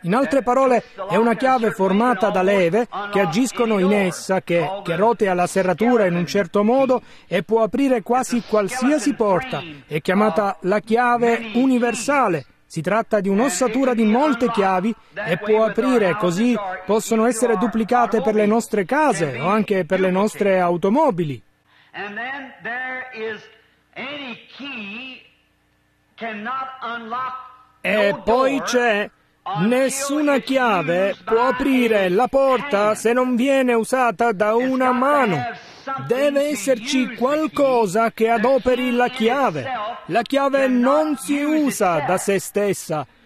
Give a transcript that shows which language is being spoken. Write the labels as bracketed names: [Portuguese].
[Italian] In altre parole, è una chiave formata da leve che agiscono in essa, che rotea la serratura in un certo modo e può aprire quasi qualsiasi porta. È chiamata la chiave universale. Si tratta di un'ossatura di molte chiavi e può aprire, così possono essere duplicate per le nostre case o anche per le nostre automobili. [English] And then there is any key cannot unlock. [Italian] E poi c'è, nessuna chiave può aprire la porta se non viene usata da una mano. Deve esserci qualcosa che adoperi la chiave. La chiave non si usa da se stessa.